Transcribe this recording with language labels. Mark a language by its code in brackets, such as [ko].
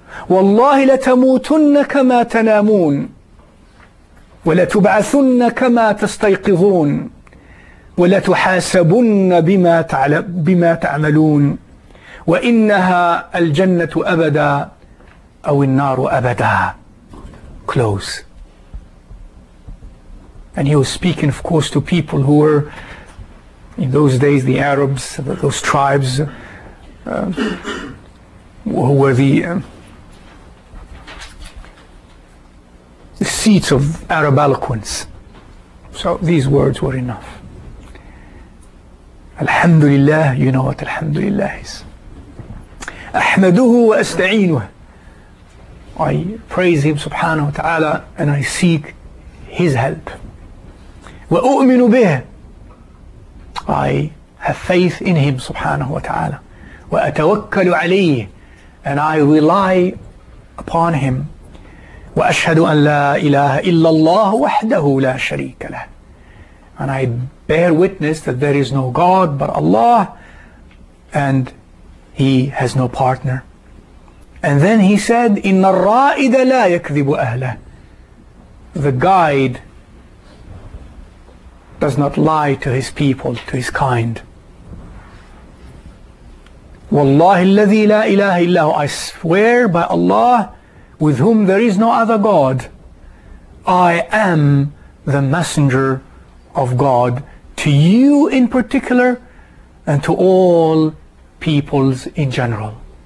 [ar] والله لتموتن كما تنامون ولتبعثن كما تستيقظون ولتحاسبن بما تعملون وإنها الجنة أبدا أو النار أبدا. [en] Close. And he was speaking, of course, to people who were in those days the Arabs, those tribes who were the seats of Arab eloquence. So these words were enough. Alhamdulillah, you know what Alhamdulillah is. [ar] Ahmaduhu wa astaeenuh. [en] I praise him subhanahu wa ta'ala and I seek his help. [ar] Wa u'minu bih. [en] I have faith in him subhanahu wa ta'ala. [ar] Wa atawakkalu alayhi. [en] And I rely upon him. [ar] وَأَشْهَدُ أَنْ لَا إِلَهَ إِلَّا اللَّهُ وَحْدَهُ لَا شَرِيكَ لَهُ. [en] And I bear witness that there is no God but Allah, and He has no partner. And then he said, [ar] إِنَّ الرَّائِدَ لَا يَكْذِبُ أَهْلَهُ. [en] The guide does not lie to his people, to his kind. [ar] وَاللَّهِ الَّذِي لَا إِلَهَ إِلَّهُ. [en] I swear by Allah, with whom there is no other God, I am the messenger of God to you in particular and to all peoples in general.